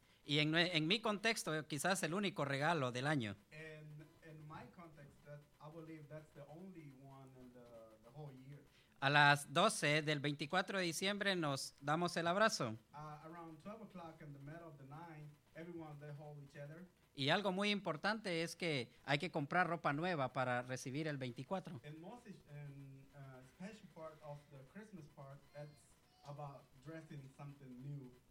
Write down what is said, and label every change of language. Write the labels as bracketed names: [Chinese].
[Spanish] Y en mi contexto, quizás el único regalo del año. [English] In my context, that I believe that's the only one in the whole year. [Spanish] A las 12 del 24 de diciembre nos damos el abrazo. [English] Around 12 o'clock in the middle of the night, everyone they hold each other. [Spanish] Y algo muy importante es que hay que comprar ropa nueva para recibir el 24. [English] And most special part of the Christmas part, it's about dressing something new.